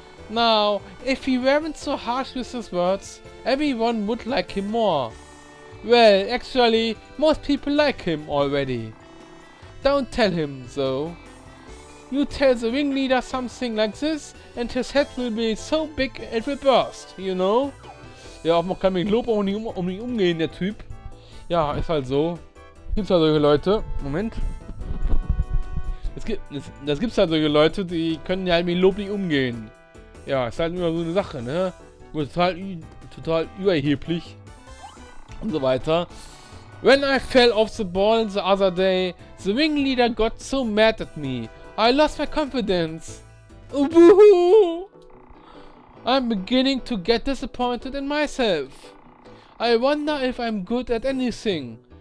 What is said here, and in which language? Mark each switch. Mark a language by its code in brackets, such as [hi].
[en] Now, if he weren't so harsh with his words, everyone would like him more. Well, actually, most people like him already. Don't tell him, though. You tell the ringleader something like this, and his head will be so big it will burst, you know? [de] Ja, auch man kann mit Lob auch nicht umgehen, der Typ. Ja, ist halt so. Gibt's halt solche Leute. Moment. Das gibt's halt solche Leute, die können ja halt mit Lob nicht umgehen. Ja, ist halt immer so eine Sache, ne? Total überheblich. Und so weiter. [en] When I fell off the ball the other day, the ringleader got so mad at me. I lost my confidence. Woohoo! I'm beginning to get disappointed in myself. I wonder if I'm good at anything.